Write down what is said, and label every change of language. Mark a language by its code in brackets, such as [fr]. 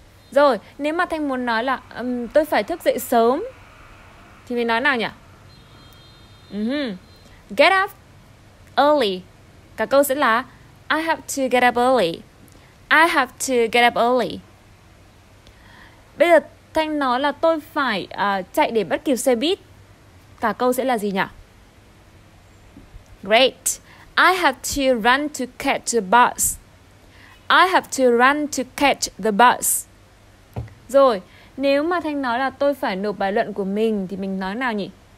[vi] Rồi, nếu mà Thanh muốn nói là tôi phải thức dậy sớm thì mình nói nào nhỉ? [en] Get up early. [vi] Cả câu sẽ là [en] I have to get up early. I have to get up early. [vi] Bây giờ Thanh nói là tôi phải chạy để bắt kịp xe buýt. Cả câu sẽ là gì nhỉ? [en] Great. I have to run to catch the bus. I have to run to catch the bus. [vi] Rồi, nếu mà Thanh nói là tôi phải nộp bài luận của mình thì mình nói nào nhỉ?